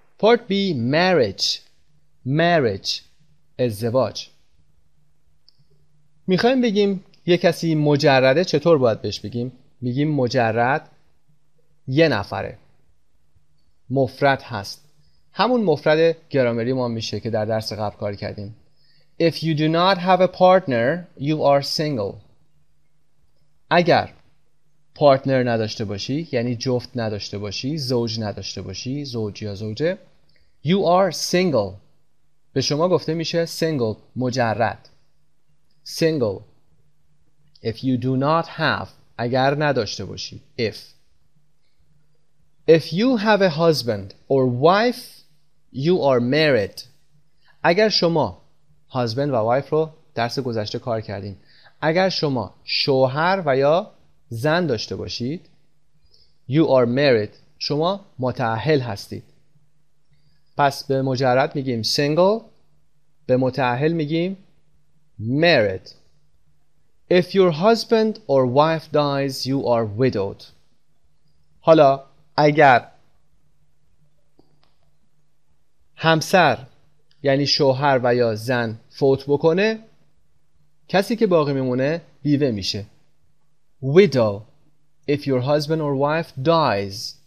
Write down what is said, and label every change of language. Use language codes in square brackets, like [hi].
[en] Part B. Marriage. Marriage. [fa] ازدواج. میخواییم بگیم یه کسی مجرده چطور باید بهش بگیم؟ میگیم مجرد یه نفره. مفرد هست. همون مفرد گرامری ما میشه که در درس قبل کار کردیم. [en] If you do not have a partner, you are single. [fa] اگر پارتنر نداشته باشی، یعنی جفت نداشته باشی، زوج نداشته باشی، زوج یا زوجه، [en] you are single. [fa] به شما گفته میشه single، مجرد. Single. [en] If you do not have، [fa] اگر نداشته باشی. [en] If. If you have a husband or wife، you are married. [fa] اگر شما husband و wife رو درس گذشته کار کردیم، اگر شما شوهر و یا زن داشته باشید، [en] you are married. [fa] شما متأهل هستید. پس به مجرد میگیم single، به متأهل میگیم married. [en] If your husband or wife dies, you are widowed. [fa] حالا اگر همسر یعنی شوهر و یا زن فوت بکنه، کسی که باقی میمونه بیوه میشه. [en] Widow. If your husband or wife dies.